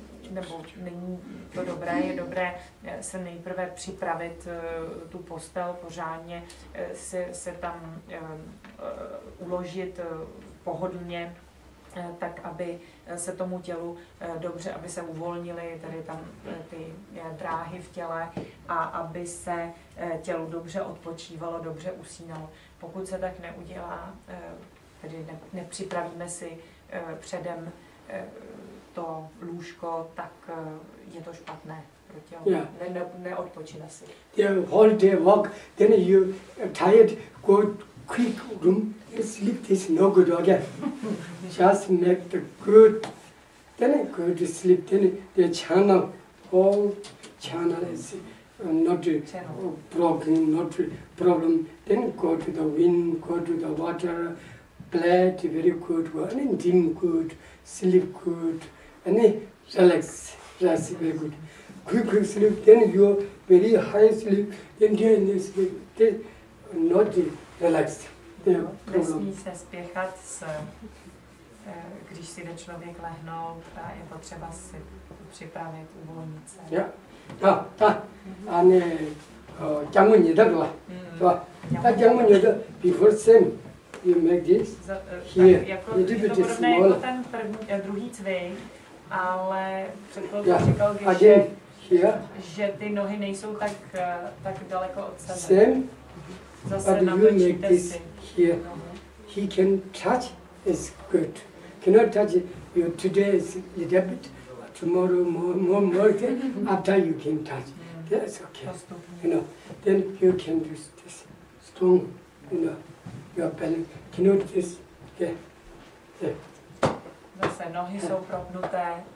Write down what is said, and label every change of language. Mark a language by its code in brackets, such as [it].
[cs] Nebo není to dobré, je dobré se nejprve připravit tu postel pořádně, se tam uložit pohodlně, tak aby se tomu tělu dobře, aby se uvolnily tady tam ty dráhy v těle a aby se tělu dobře odpočívalo, dobře usínalo. Pokud se tak neudělá, tedy nepřipravíme si předem to lůžko, tak je to špatné pro tělo. Yeah. Neodpočíne si. [en] The whole day walk, then you tired, go quick room, sleep, this no good again. Just make the good, then good sleep, then the channel, all channel is not broken, not problem. Then go to the wind, go to the water, bled very good, one and dim good, sleep good, and relax, relax very good. Quick sleep, then you very high sleep, then you sleep, then not relaxed. [cs] Nesmí se spěchat, když si jde člověk lehnout a je potřeba si připravit uvolnit se. A ne, těmu nedadla. Tak těmu nedadla, before sem, [en] you make this, here. [cs] Je to podobné jako ten druhý cvik, ale předpokládám, říkal Geše, že ty nohy nejsou tak daleko od sebe. Sem. Zase [en] but you make this here. He can touch, it's good. Cannot touch you today is little bit, tomorrow more then after you can touch. That's okay. You know. Then you can do this strong, you know, your balance. Cannot this okay. [cs] Zase nohy jsou propnuté.